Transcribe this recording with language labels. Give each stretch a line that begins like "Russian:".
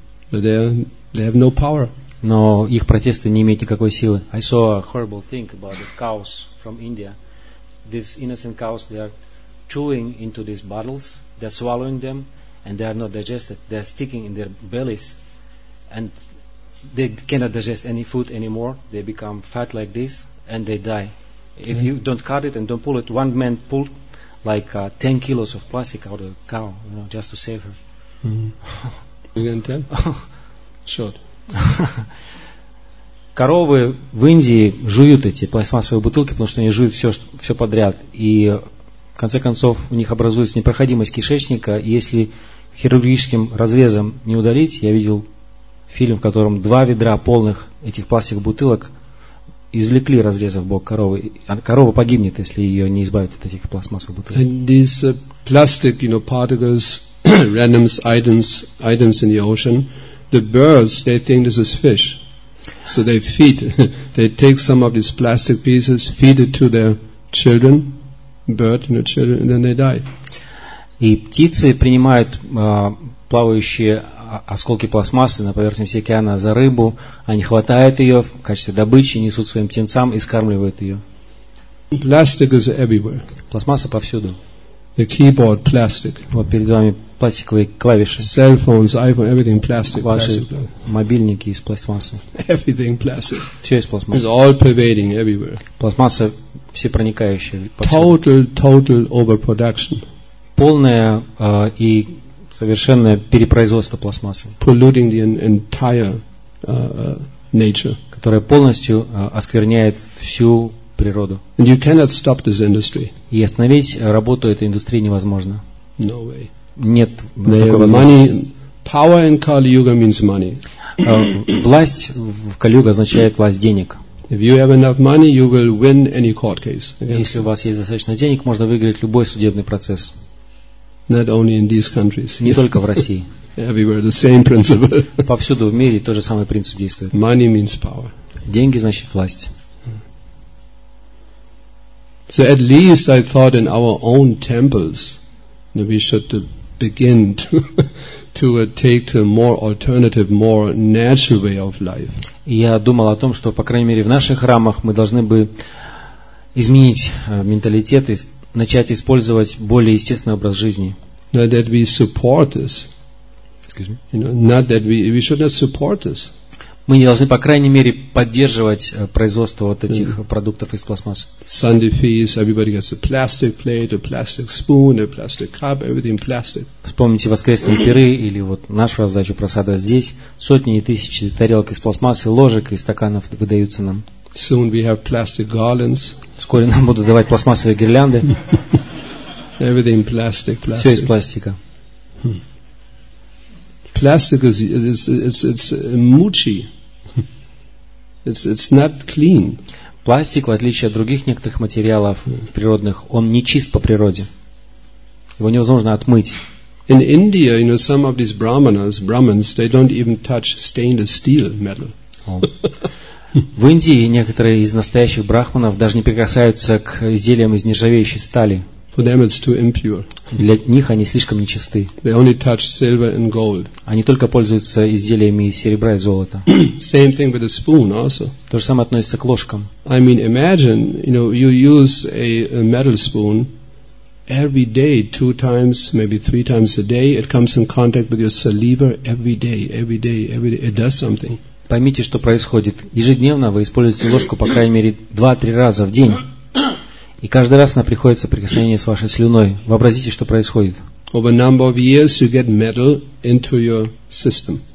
English: But they have no power.
Russian: Но их протесты не имеют никакой силы.
English: I saw a horrible thing about the cows from India. These innocent cows, they are chewing into these bottles, they're swallowing them, and they are not digested. They're sticking in their bellies, and they cannot digest any food anymore. They become fat like this, and they die. Okay. If you don't cut it and don't pull it, one man pulled like 10 kilos of plastic out of a cow, you know, just to save her. You can tell? Short.
Russian: коровы в Индии жуют эти пластмассовые бутылки, потому что они жуют все подряд. И в конце концов у них образуется непроходимость кишечника. И если хирургическим разрезом не удалить, я видел фильм, в котором два ведра полных этих пластиковых бутылок извлекли, разрезав бок коровы. Корова погибнет, если ее не избавят от этих пластмассовых бутылок.
English: And these plastic, you know, particles, random items in the ocean, the birds, they think this is fish. So they feed, they take some of these plastic pieces, feed it to their children, bird, you know, children, and then they die.
Russian: И птицы принимают плавающие осколки пластмассы на поверхности океана за рыбу, они хватают ее в качестве добычи, несут своим птенцам и скармливают ее.
English: Plastic is everywhere.
Russian: Пластмасса повсюду.
English: The keyboard, plastic.
Russian: Вот перед вами пластиковые клавиши.
English: Cell phones, iPhone, everything plastic.
Russian: Ваши
English: plastic.
Russian: Мобильники из пластмассы.
English: Everything plastic.
Russian: Все из пластмассы.
English: It's all pervading everywhere.
Russian: Пластмасса всепроникающая.
English: Total overproduction.
Russian: Полное и совершенное перепроизводство пластмассы.
English: Polluting the entire nature.
Russian: Которое полностью оскверняет всю природу.
English: And you cannot stop this industry.
Russian: И остановить работу этой индустрии невозможно.
English: No way.
Russian: Нет такой возможности.
English: Power in Kali Yuga means money.
Russian: Власть в Кали-Юга означает власть денег.
English: If you have enough money, you will win any court case.
Russian: Если у вас есть достаточно денег, можно выиграть любой судебный процесс.
English: Not only in these countries.
Russian: Не только в России.
English: Everywhere the same principle.
Russian: Повсюду в мире тот же самый принцип действует.
English: Money means power.
Russian: Деньги значит власть.
English: So at least I thought in our own temples that we should begin to take to a more alternative, more natural way of life.
Russian: Я думал о том, что по крайней мере в наших храмах мы должны бы изменить менталитет и начать использовать более естественный образ жизни.
English: Not that we support this. Excuse me. You know, not that we should not support this.
Russian: Мы не должны, по крайней мере, поддерживать производство вот этих продуктов из пластмассы.
English: Sunday feast, everybody gets a plastic plate, a plastic spoon, a plastic cup, everything plastic.
Russian: Вспомните воскресные пиры или вот нашу раздачу просада здесь. Сотни и тысячи тарелок из пластмассы, ложек и стаканов выдаются нам.
English: Soon we have plastic garlands.
Russian: Вскоре нам будут давать пластмассовые гирлянды.
English: Everything plastic, plastic.
Russian: Все из пластика.
English: Plastic is mushy. It's not clean.
Russian: Пластик, в отличие от других некоторых материалов природных, он не чист по природе. Его невозможно отмыть.
English: In India, you know, some of these brahmins, they don't even touch stainless steel metal.
Russian: В Индии некоторые из настоящих брахманов даже не прикасаются к изделиям из нержавеющей стали.
English: For them it's too impure.
Russian: Для них они слишком нечисты.
English: They only touch silver and gold.
Russian: Они только пользуются изделиями из серебра и золота.
English: Same thing with a spoon also.
Russian: То же самое относится к ложкам.
English: I mean, imagine, you know, you use a metal spoon every day, two times, maybe three times a day. It comes in contact with your saliva every day. It does something.
Russian: Поймите, что происходит. Ежедневно вы используете ложку по крайней мере 2-3 раза в день. И каждый раз она приходит в соприкосновение с вашей слюной. Вообразите, что происходит.
English: Over number of years you get metal into your system.